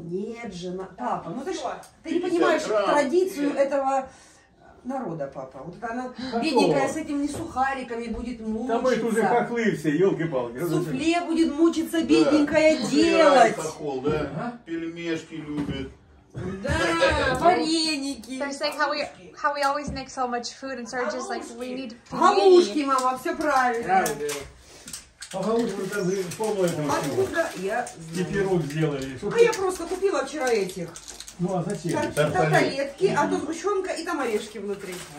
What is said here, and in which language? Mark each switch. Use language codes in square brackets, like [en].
[ru] Нет же, папа, ну ты что, ты не понимаешь традицию этого народа, папа. Вот это она бедненькая с этими сухариками будет мучиться. Да мы тут уже хохлы все, елки-палки. Суфле будет мучиться бедненькая делать. Хохол, да? Пельмешки любит. Да, вареники. [en] They're saying how we always make so much food, and Serge is like, we need [ru] пельмени. Галушки, мама, все правильно. По галушкам там полное там всего. И пирог сделали. А я просто купила вчера этих. Ну а зачем? Тарталетки, а то сгущенка и там орешки внутри.